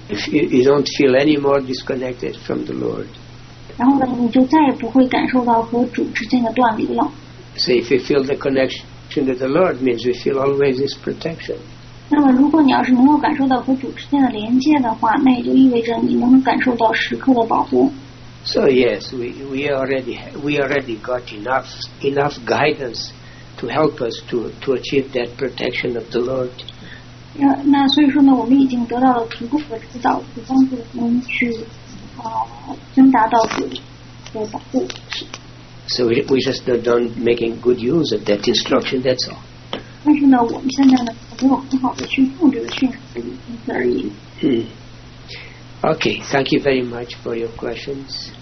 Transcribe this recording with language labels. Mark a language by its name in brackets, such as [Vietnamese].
[English] You don't feel any more disconnected from the Lord. [Chinese] 然后呢，你就再也不会感受到和主之间的断离了。 [English] So if you feel the connection to the Lord, means you feel always His protection. [Chinese] 那么，如果你要是能够感受到和主之间的连接的话，那也就意味着你能感受到时刻的保护。 [English] So yes, we already got enough guidance. To help us to achieve that protection of the Lord. [Chinese] Yeah, 那所以说呢，我们已经得到了足够的指导，以帮助我们去真达到主的保护。 [English] So we just don't making good use of that instruction. That's all. [Chinese] 但是呢，我们现在呢，没有很好的去用这个训示而已。 [English] Okay, thank you very much for your questions.